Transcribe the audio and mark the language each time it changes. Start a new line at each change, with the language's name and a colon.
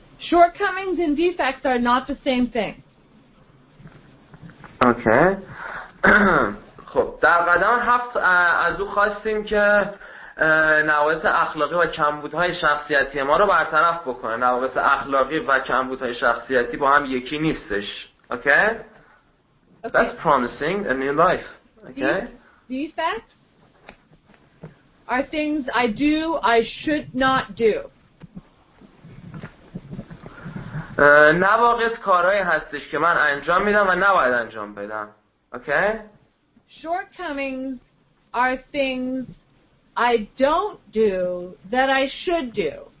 English: Shortcomings and defects are not the same thing. Okay.
Persian: خب در قدم 7 از او خواستیم که نواقص اخلاقی و کمبودهای شخصیتی ما رو برطرف بکنه. نواقص اخلاقی و کمبودهای شخصیتی با هم یکی نیستش.
English: Okay? That's promising a new life. Okay? Defects are things I do, I should not do.
Persian: نواقص کارهایی هستش که من انجام میدم و نباید انجام بدم.
English: Okay? Shortcomings are things I don't do that I should do.